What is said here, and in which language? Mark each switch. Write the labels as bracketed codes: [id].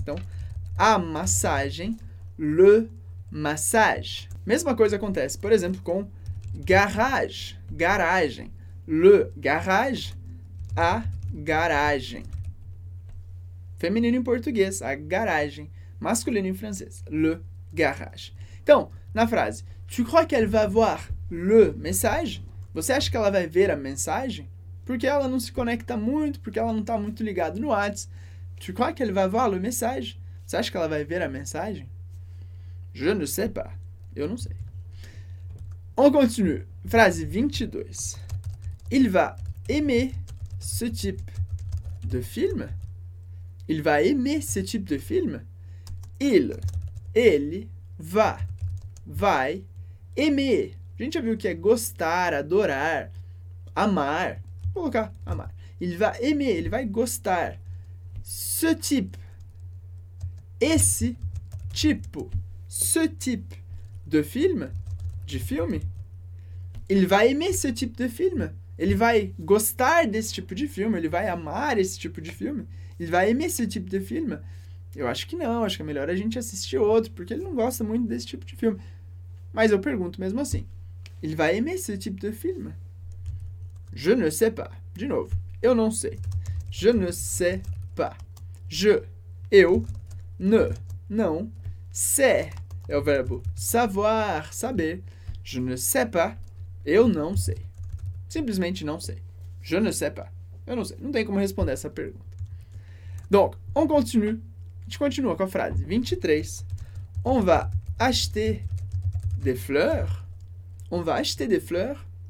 [pt] Então, a massagem, le massage. Mesma coisa acontece, por exemplo, com garage, garagem. [fr] Le garage, [pt] a garagem. Feminino em português, a garagem. Masculino em francês, [fr] le garage. [pt] Então, na frase, [fr] tu crois qu'elle va voir le message? [pt] Você acha que ela vai ver a mensagem? Porque ela não se conecta muito, porque ela não está muito ligada no WhatsApp. [fr] Tu crois qu'elle va voir le message? [pt] Você acha que ela vai ver a mensagem? [fr] Je ne sais pas. [pt] Eu não sei. [fr] On continue. [pt] Frase 22. [fr] Il va aimer ce type de film? Il va aimer ce type de film? Il, [pt] ele, [fr] va, [pt] vai, [fr] aimer. [pt] A gente já viu que é gostar, adorar, amar. Vou colocar amar. [fr] Il va aimer, [pt] ele vai gostar. [fr] Ce type, [pt] esse tipo, [fr] ce type de film, [pt] de filme. [fr] Il va aimer ce type de film. [pt] Ele vai gostar desse tipo de filme, ele vai amar esse tipo de filme. [fr] Il va aimer ce type de film. [pt] Eu acho que não, acho que é melhor a gente assistir outro, porque ele não gosta muito desse tipo de filme. Mas eu pergunto mesmo assim. [fr] Il va aimer ce type de film? Je ne sais pas. [pt] De novo, eu não sei. [fr] Je ne sais pas. Je, eu, ne, não, sais, [pt] é o verbo savoir, saber. [fr] Je ne sais pas. [pt] Eu não sei. Simplesmente não sei. Je ne sais pas. Eu não sei. Não tem como responder essa pergunta. [fr] Donc, on continue. [pt] A gente continua com a frase 23. [fr] On va acheter des fleurs. On va acheter des fleurs.